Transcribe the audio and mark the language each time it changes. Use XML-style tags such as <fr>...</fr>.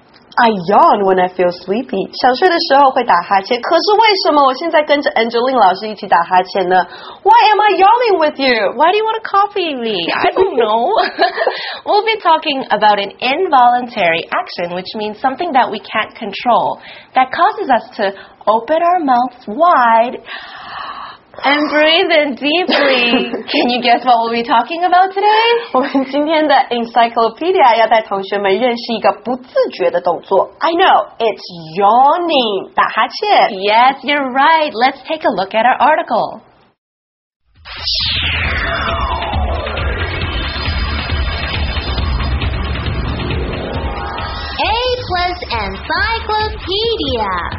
<en>I yawn when I feel sleepy.</en> <zh>想睡的时候会打哈欠。可是为什么我现在跟着 Angeline 老师一起打哈欠呢？</zh> <en>Why am I yawning with you? Why do you want to copy me? I don't know. We'll be talking about an involuntary action, which means something that we can't control, that causes us to open our mouths wide and breathe in deeply. Can you guess what we'll be talking about today?</en> <zh>我们今天的 encyclopedia 要带同学们认识一个不自觉的动作。</zh> <en>I know, it's yawning,</en> <zh>打哈欠。</zh> <en>Yes, you're right. Let's take a look at our article. A plus encyclopedia.</en>